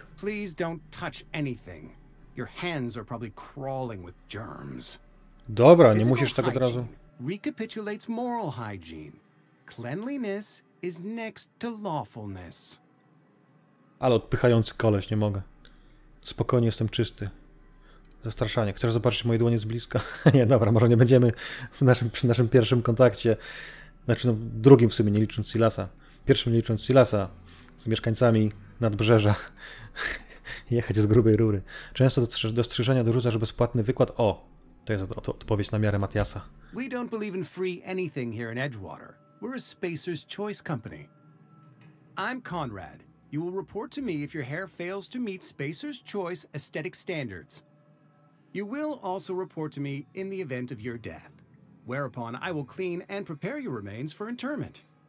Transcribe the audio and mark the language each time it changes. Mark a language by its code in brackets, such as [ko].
[en] Please don't touch anything. Your hands are probably crawling with germs. [pl] Dobra, nie musisz tak od razu. [en] Recapitulates moral hygiene. Cleanliness is next to lawfulness. [pl] Ale odpychający koleś, nie mogę. Spokojnie, jestem czysty. Zastraszanie. Chcesz zobaczyć moje dłonie z bliska? Nie, dobra, może nie będziemy przy naszym pierwszym kontakcie. Znaczy, no, drugim w sumie, nie licząc Silasa. Pierwszym nie licząc Silasa z mieszkańcami nadbrzeża. Jechać z grubej rury. Często dostrzeżenia dorzucasz bezpłatny wykład. O, to jest to odpowiedź na miarę Matiasa. [en] We don't believe in free anything here in Edgewater. We're a Spacer's Choice Company. I'm Conrad. You will report to me if your hair fails to meet Spacer's Choice aesthetic standards. You will also report to me in the event of your death. Whereupon I will clean and prepare your remains for interment.